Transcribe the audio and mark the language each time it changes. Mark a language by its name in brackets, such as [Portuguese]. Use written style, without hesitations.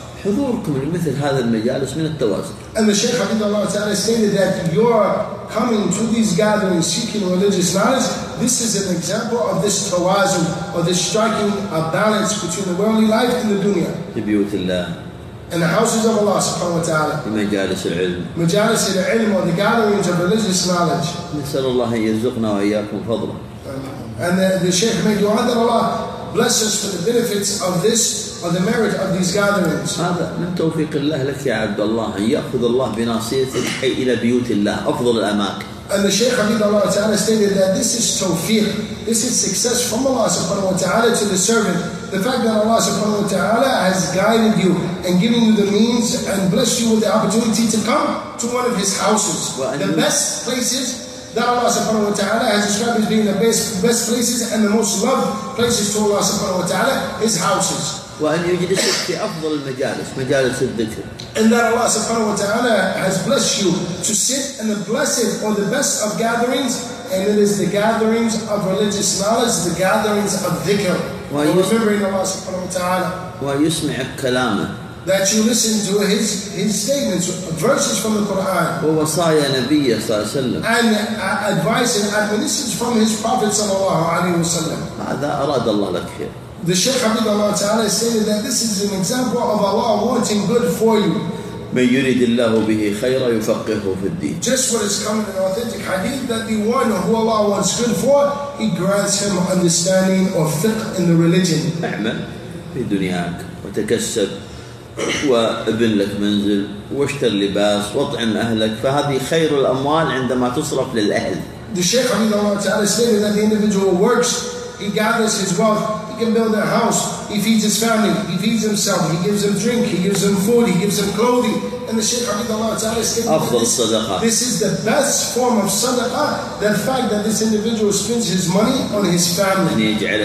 [Arabic] حضوركم لمثل هذا المجالس من التواصل. [English] And the Sheikh Hafidh Allah Ta'ala stated that your coming to these gatherings seeking religious knowledge, this is an example of this tawazun, or this striking a balance between the worldly life and the dunya. [Arabic] في بيوت الله. [English] In the houses of Allah Subhanahu Wa Ta'ala. [Arabic] في مجالس العلم. مجالس العلم, [English] or the gatherings of religious knowledge. [Arabic] نسأل الله أن يرزقنا وإياكم فضلا. [English] And the Sheikh made dua that Allah bless us for the benefits of this, or the merit of these gatherings. [Arabic] هذا من توفيق الله لك يا عبد الله أن يأخذ الله بناصيتك حي إلى بيوت الله أفضل الأماكن. [English] And the Shaykh Hafidh Allah Ta'ala stated that this is tawfiq, this is success from Allah Subhanahu Wa Ta'ala to the servant. The fact that Allah Subhanahu Wa Ta'ala has guided you and given you the means and blessed you with the opportunity to come to one of His houses, the best places that Allah Subhanahu Wa Ta'ala has described as being the best places and the most loved places to Allah Subhanahu Wa Ta'ala, His houses. [Arabic] وأن يجلسك في أفضل المجالس, مجالس الذكر. [English] And that Allah Subhanahu Wa Ta'ala has blessed you to sit in the blessed or the best of gatherings, and it is the gatherings of religious knowledge, the gatherings of dhikr. Remembering Allah Subhanahu Wa Ta'ala. [Arabic] وأن يسمعك كلامه. [English] That you listen to his statements, verses from the Quran. [Arabic] ووصايا نبيه صلى الله عليه وسلم. [English] And advice and admonitions from his prophet صلى الله عليه وسلم. [Arabic] هذا أراد الله لك خير. [English] The Shaykh Hafidh Allah Ta'ala stated that this is an example of Allah wanting good for you. [Arabic] من يريد الله به خيرا يفقهه في الدين. [English] Just what is coming in authentic hadith, that the one who Allah wants good for, He grants him understanding or fiqh in the religion. [Arabic] اعمل في دنياك وتكسب وابن لك منزل واشتر لباس واطعم أهلك فهذه خير الأموال عندما تصرف للأهل. [English] The Shaykh Hafidh Allah Ta'ala stated that the individual works, he gathers his wealth, he can build a house, he feeds his family, he feeds himself, he gives them drink, he gives them food, he gives them clothing. And the Shaykh Hafidh Allah Ta'ala stated that this is the best form of sadaqah, the fact that this individual spends his money on his family.